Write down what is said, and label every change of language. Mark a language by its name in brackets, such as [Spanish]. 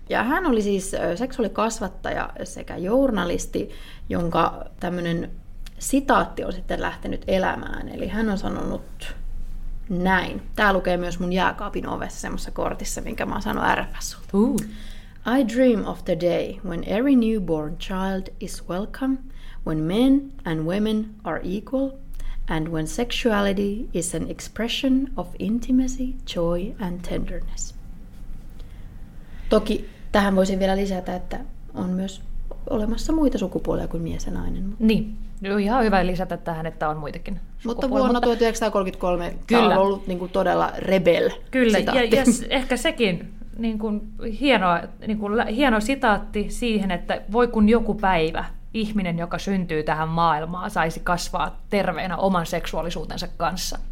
[Finnish] Ja hän oli siis seksuaalikasvattaja sekä journalisti, jonka tämmöinen sitaatti on sitten lähtenyt elämään, eli hän on sanonut näin. Tää lukee myös mun jääkaapin ovessa semmoisessa kortissa, minkä mä oon sanonut RFSUlta. [English] I dream of the day when every newborn child is welcome, when men and women are equal, and when sexuality is an expression of intimacy, joy and tenderness. [Finnish] Toki tähän voisin vielä lisätä, että on myös olemassa muita sukupuolia kuin mies ja nainen. Mutta... Niin. Joo, ihan hyvä lisätä tähän, että on muitakin. Mutta vuonna 1933 kyllä. Tämä on ollut niin kuin todella rebel kyllä. sitaatti. Kyllä, ja ehkä sekin niin kuin hieno sitaatti siihen, että voi kun joku päivä ihminen, joka syntyy tähän maailmaan, saisi kasvaa terveenä oman seksuaalisuutensa kanssa.